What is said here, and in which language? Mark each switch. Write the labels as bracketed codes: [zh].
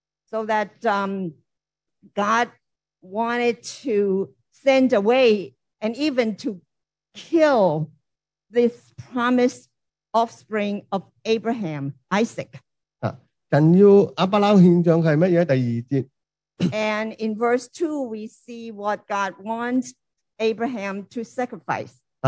[en] So that God wanted to send away and even to kill this promised offspring of Abraham, Isaac. [zh] 神要亚伯拉罕献上是什么? 第二节。 [en] And in verse 2, we see what God wants Abraham to sacrifice.